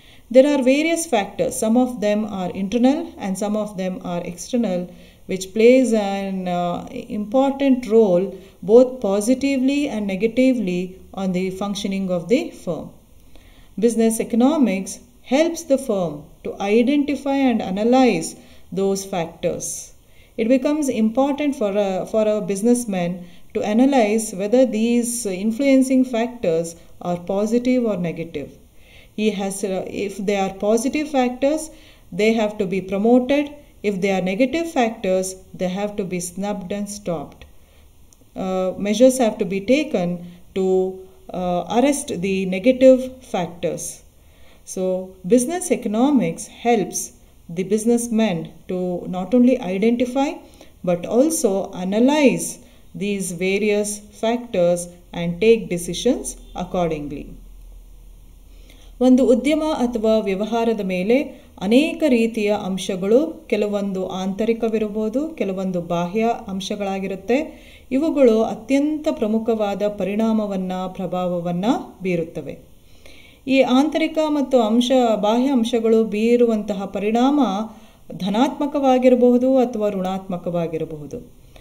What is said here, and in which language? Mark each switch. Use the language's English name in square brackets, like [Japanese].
[English] There are various factors, some of them are internal and some of them are external, which plays an important role both positively and negatively on the functioning of the firm. Business economics helps the firm to identify and analyse those factors. It becomes important for a businessman to analyze whether these influencing factors are positive or negative. If they are positive factors, they have to be promoted. If they are negative factors, they have to be snubbed and stopped. Measures have to be taken to arrest the negative factors. So business economics helps the businessmen to not only identify but also analyze these various factors and take decisions accordingly. [Kannada] ಒಂದು ಉದ್ಯಮ ಅಥವಾ ವ್ಯವಹಾರದ ಮೇಲೆ ಅನೇಕ ರೀತಿಯ ಅಂಶಗಳು, ಕೆಲವೊಂದು ಆಂತರಿಕವಿರಬಹುದು, ಕೆಲವೊಂದು ಬಾಹ್ಯ ಅಂಶಗಳಾಗಿರುತ್ತೆ. ಇವುಗಳು ಅತ್ಯಂತ ಪ್ರಮುಖವಾದ ಪರಿಣಾಮವನ್ನು, ಪ್ರಭಾವವನ್ನು ಬೀರುತ್ತವೆ. ಈ ಆಂತರಿಕ ಮತ್ತು ಬಾಹ್ಯ ಅಂಶಗಳು ಬೀರುವಂತಹ ಪರಿಣಾಮ ಧನಾತ್ಮಕವಾಗಿರಬಹುದು ಅಥವಾ ಋಣಾತ್ಮಕವಾಗಿರಬಹುದು.